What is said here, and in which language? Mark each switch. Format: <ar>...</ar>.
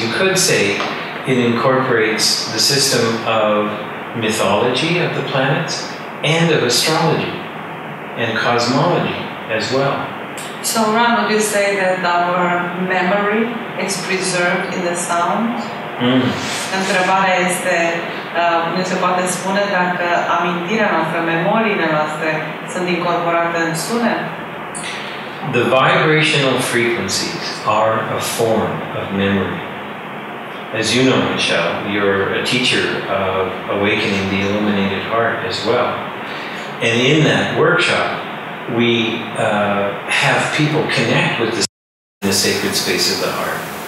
<en>You could say it incorporates the system of mythology of the planets and of astrology and cosmology as well. So, Ron, would you say that our memory is preserved in the sound?</en> <ro>Întrebarea este, nu se poate spune dacă amintirea noastră, memoriile noastre sunt incorporate în sunet?</ro> <en>The vibrational frequencies are a form of memory. As you know, Michelle, you're a teacher of Awakening the Illuminated Heart as well. And in that workshop, we have people connect with the sacred space of the heart.</en>